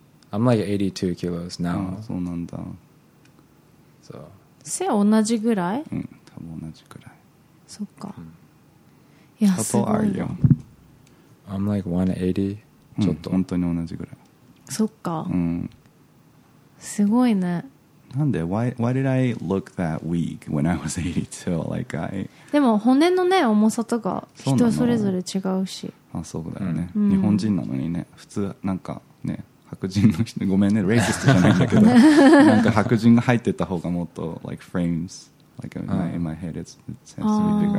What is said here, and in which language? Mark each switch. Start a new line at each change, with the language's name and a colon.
English: I'm like 82 kilos now.
Japanese: ああそうなんだ。そう。背同じぐらい？うん、多分同じぐらい。そっか。うん、いやすごい。
English: I'm like 180、
Japanese: うん。ちょっと本当に同じぐらい。そっか。うん。すごいね。
English: なんで why did I look that weak when I was 82? Like I...
Japanese: でも骨のね重さとか人それぞれ違うし。あ、そうだよね、うん。日本人なのにね、普通なんかね、白人の人、ごめんね、レイシストじゃないんだけど、なんか白人が入ってた方がもっと
English: like frames like in my head it's sensitive bigger。